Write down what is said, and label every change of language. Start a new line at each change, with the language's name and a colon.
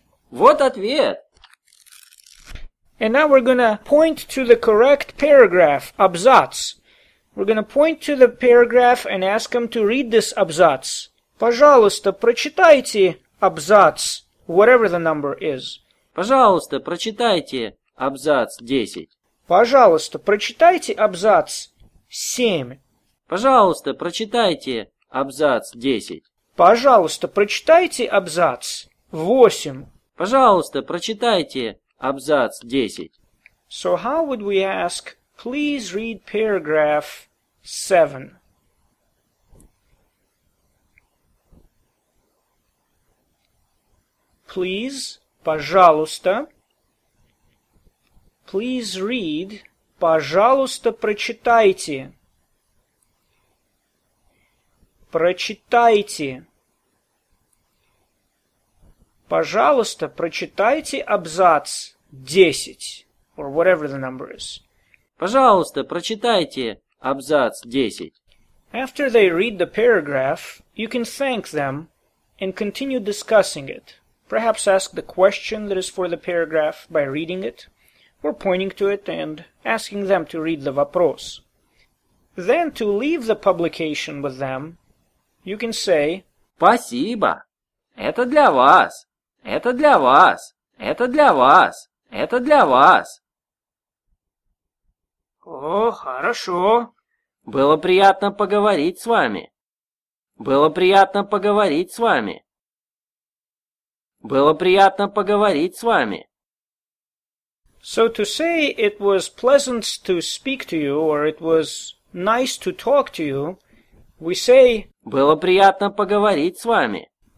Russian: Вот ответ.
English: And now we're going to point to the correct paragraph, абзац. We're going to point to the paragraph and ask him to read this абзац.
Russian: Пожалуйста, прочитайте абзац,
English: whatever the number is.
Russian: Пожалуйста, прочитайте абзац 10. Пожалуйста, прочитайте абзац 7. Пожалуйста, прочитайте абзац 10. Пожалуйста, прочитайте абзац 8. Пожалуйста, прочитайте абзац 10.
English: So how would we ask, please read paragraph 7? Please,
Russian: пожалуйста.
English: Please read,
Russian: пожалуйста, прочитайте. Прочитайте. Пожалуйста, прочитайте абзац 10,
English: or whatever the number is.
Russian: Пожалуйста, прочитайте абзац 10.
English: After they read the paragraph, you can thank them and continue discussing it. Perhaps ask the question that is for the paragraph by reading it, or pointing to it and asking them to read the вопрос. Then to leave the publication with them, you can say,
Russian: Спасибо! Это для вас! Это для вас! Это для вас! Это для вас! О, хорошо! Было приятно поговорить с вами! Было приятно поговорить с вами! Было приятно поговорить с вами.
English: So to say it was pleasant to speak to you, or it was nice to talk to you, we say
Russian: Было приятно поговорить с вами.